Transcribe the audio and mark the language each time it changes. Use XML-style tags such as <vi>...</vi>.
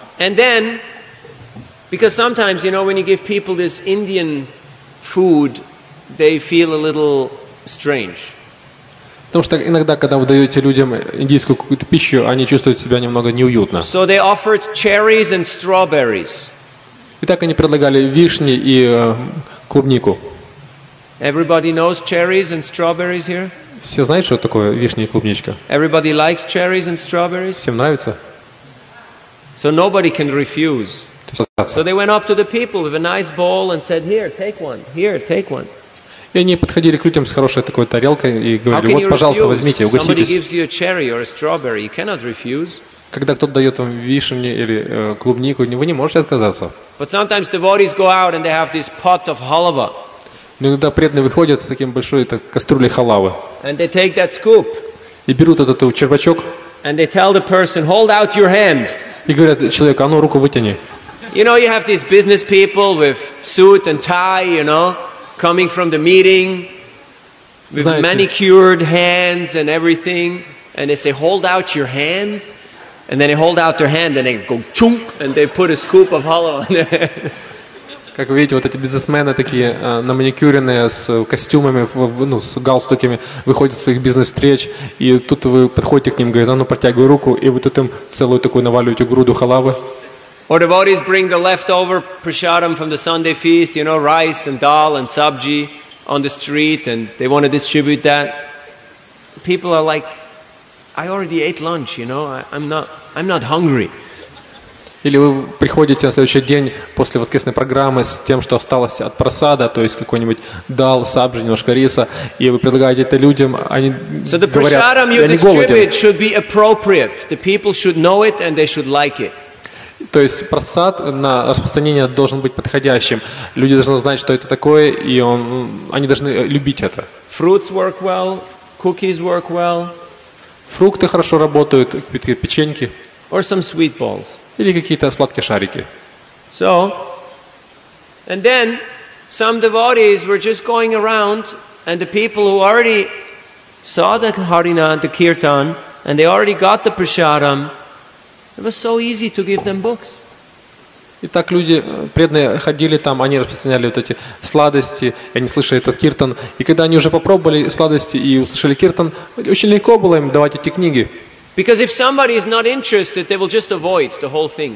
<en>And then, because sometimes, you know, when you give people this Indian food, they feel a little strange.</en> <ru>Потому что иногда, когда вы даете людям индийскую какую-то пищу, они чувствуют себя немного неуютно.</ru> <en>So they offered cherries and strawberries.</en> <ru>И так они предлагали вишни и клубнику.</ru> <en>Everybody knows cherries and strawberries here?</en> <ru>Все знают, что такое вишня и клубничка?</ru> <en>Everybody likes cherries and strawberries?</en> <ru>Всем нравится?</ru> <en>So nobody can refuse. So they went up to the people with a nice bowl and said, "Here, take one. Here, take one."</en> <ru>И они подходили к людям с хорошей такой тарелкой и говорили: "Вот, пожалуйста, возьмите, угоститесь."</ru> <en>Somebody gives you a cherry or a strawberry, you cannot refuse.</en> <ru>Когда кто-то дает вам вишню или клубнику, вы не можете отказаться.</ru> <en>But sometimes the devotees go out and they have this pot of halava.</en> <ru>Иногда преданные выходят с таким большой кастрюлей халавы.</ru> <en>And they take that scoop.</en> <ru>И берут этот червячок.</ru> <en>And they tell the person, "Hold out your hand."</en> <ru>И говорят человеку: "А ну руку вытяни."</ru> <en>You know, you have these business people with suit and tie, you know, coming from the meeting, with</en> <ru>Знаете,</ru> <en>manicured hands and everything, and they say, "Hold out your hand," and then they hold out their hand, and they go chunk, and they put a scoop of halwa on their head.</en> <ru>Как вы видите, вот эти бизнесмены такие на маникюренные с костюмами, ну с галстуками выходят с своих бизнес встреч, и тут вы подходите к ним, говорят: "А ну протягивай руку," и вот тут им целую такую наваливаете груду халавы.</ru> <en>Or devotees bring the leftover prasadam from the Sunday feast, you know, rice and dal and sabji on the street, and they want to distribute that. People are like, "I already ate lunch, you know, I'm not hungry."</en> <ru>Или вы приходите на следующий день после воскресной программы с тем, что осталось от просада, то есть какой-нибудь дал, сабжи, немножко риса, и вы предлагаете это людям, они говорят: "Я не голоден."</ru> <en>Should be appropriate. The people should know it and they should like it.</en> <ru>То есть просад на распространение должен быть подходящим. Люди должны знать, что это такое, и они должны любить это.</ru> <en>Fruits work well, cookies work well.</en> <ru>Фрукты хорошо работают, печеньки.</ru> <en>Or some sweet balls.</en> <ru>Или какие-то сладкие шарики.</ru> <en>So, and then some devotees were just going around, and the people who already saw the Harina, the Kirtan, and they already got the prasadam. It was so easy to give them books.</en> <ru>Итак, люди преданные ходили там, они распространяли вот эти сладости, и они слышали этот киртан, и когда они уже попробовали сладости и услышали киртан, очень легко было им давать эти книги.</ru> <en>Because if somebody is not interested, they will just avoid the whole thing.</en>